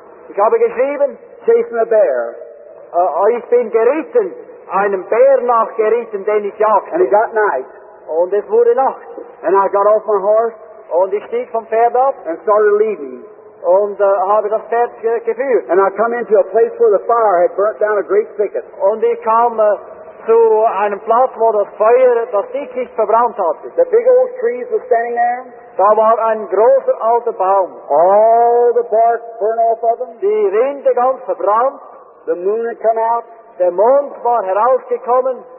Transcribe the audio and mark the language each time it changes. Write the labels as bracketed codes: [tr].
[de] Ich habe geschrieben. [en] Chasing a bear. [de] Ich bin geritten. Einem Bär nachgeritten, den ich jagte. [en] And it got night. [de] Und es wurde Nacht. [en] And I got off my horse. [de] Und ich stieg vom Pferd ab. [en] And started leaving. [de] Und habe das Pferd geführt. [en] And I come into a place where the fire had burnt down a great thicket. [de] Und ich kam zu einem Platz, wo das Feuer das Dickicht verbrannt hatte. [en] The big old trees were standing there. [de] Da war ein großer alter Baum. [en] All the bark burned off of them. [de] Die Rinde ganz verbrannt. [en] The moon had come out. [de] Der Mond war herausgekommen.